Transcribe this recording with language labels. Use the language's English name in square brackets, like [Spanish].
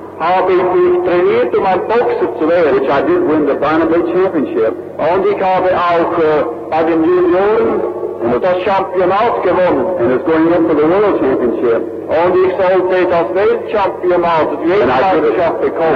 [German] habe ich mich trainiert, um ein Boxer zu werden. [English] Which I did win the Barnaby Championship. [German] Und ich habe auch bei den Junioren das Championat gewonnen. [English] And it's going up for the World Championship. [German] Und ich sollte das Weltchampionat, das Weltmeisterschaft bekommen.